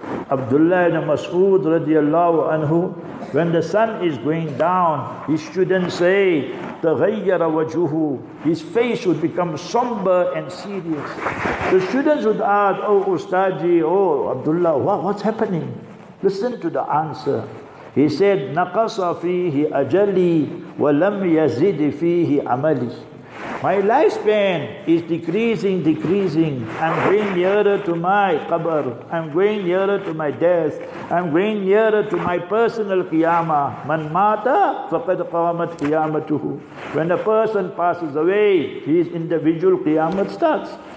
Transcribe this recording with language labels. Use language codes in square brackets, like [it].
[en] Abdullah ibn Mas'ud radiallahu anhu, when the sun is going down, his students say, [ar] تغير وجهه, [en] his face would become somber and serious. The students would ask, oh Ustaji, oh Abdullah, what's happening? Listen to the answer. He said, [ar] نَقَصَ فِيهِ أَجَلِي وَلَمْ يَزِدِ فِيهِ عَمَلِي. [en] My lifespan is decreasing. I'm going nearer to my qabr. I'm going nearer to my death. I'm going nearer to my personal qiyamah. [ar] Man mata faqad qamat qiyamatuhu. [en] When a person passes away, his individual qiyamah starts.